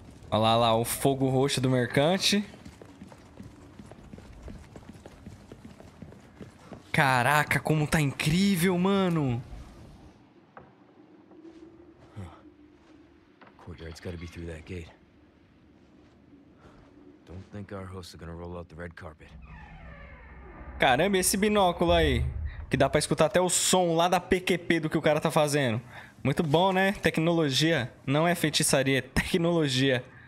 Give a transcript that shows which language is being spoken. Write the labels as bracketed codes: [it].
[pt] Olha lá, o fogo roxo do mercante. Caraca, como tá incrível, mano. [en] Courtyard's gotta be through that gate. Don't think our hosts are gonna roll out the red carpet. [pt] Caramba, esse binóculo aí. Que dá pra escutar até o som lá da PQP do que o cara tá fazendo. Muito bom, né? Tecnologia. Não é feitiçaria, é tecnologia.